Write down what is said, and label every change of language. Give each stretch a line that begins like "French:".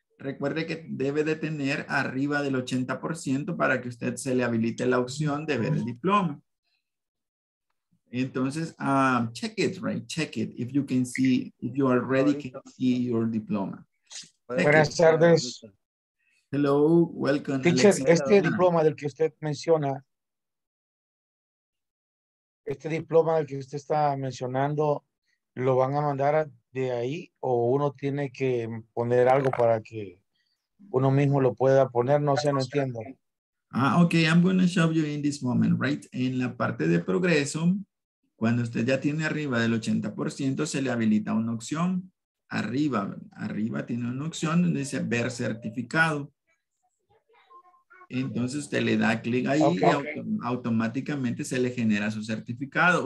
Spanish: Recuerde que debe de tener arriba del 80% para que usted se le habilite la opción de ver el diploma.
English: Entonces, check it, right? Check it if you can see, if you already can see your diploma.
Spanish: Buenas tardes.
English: Hello, welcome.
Spanish: Teacher, este diploma del que usted menciona, este diploma del que usted está mencionando, ¿lo van a mandar de ahí o uno tiene que poner algo para que uno mismo lo pueda poner? No sé, no entiendo.
English: Ah, okay, I'm going to show you in this moment, right?
Spanish: En la parte de progreso, cuando usted ya tiene arriba del 80%, se le habilita una opción. Arriba tiene una opción donde dice ver certificado. Entonces usted le da clic ahí, okay, y automáticamente se le genera su certificado.